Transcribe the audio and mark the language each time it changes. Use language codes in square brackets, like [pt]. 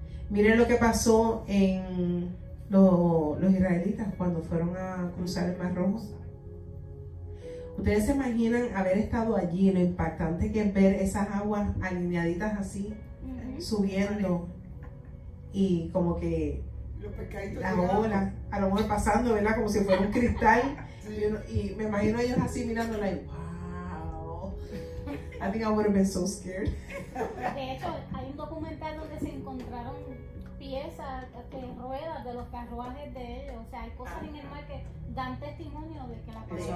[es] Miren lo que pasó en los israelitas cuando fueron a cruzar el Mar Rojo. ¿Ustedes se imaginan haber estado allí? Lo impactante que es ver esas aguas alineaditas así, subiendo, y como que las olas, a lo mejor pasando, ¿verdad?, como si fuera un cristal. Y me imagino ellos así mirándola y wow, [en] I think I would have been so scared. [es] De hecho, hay un documental donde se encontraron piezas, ruedas de los carruajes de ellos. O sea, hay cosas en el mar que dan testimonio de que la